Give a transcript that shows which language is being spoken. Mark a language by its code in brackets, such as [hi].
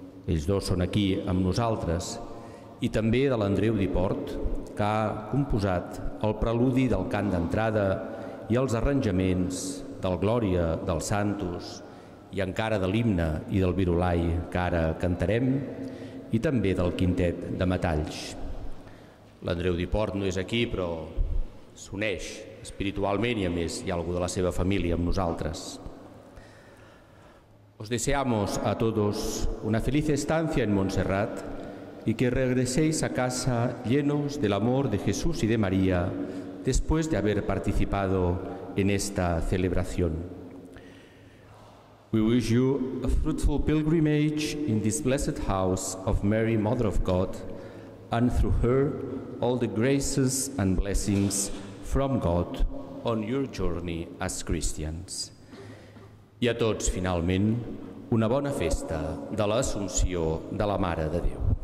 [ca] Ells dos són aquí amb nosaltres, i també de l'Andreu Diport, que ha composat el preludi del cant d'entrada i els arranjaments del Glòria del Santus i encara de l'himne i del Virolai que ara cantarem, i també del quintet de metalls. L'Andreu Diport no és aquí, però s'uneix espiritualment i a més hi ha algú de la seva família amb nosaltres. [es] Os deseamos a todos una feliz estancia en Montserrat y que regreséis a casa llenos del amor de Jesús y de María después de haber participado en esta celebración. [en] We wish you a fruitful pilgrimage in this blessed house of Mary, Mother of God, and through her all the graces and blessings from God on your journey as Christians. [ca] I a tots, finalment, una bona festa de l'Assumpció de la Mare de Déu.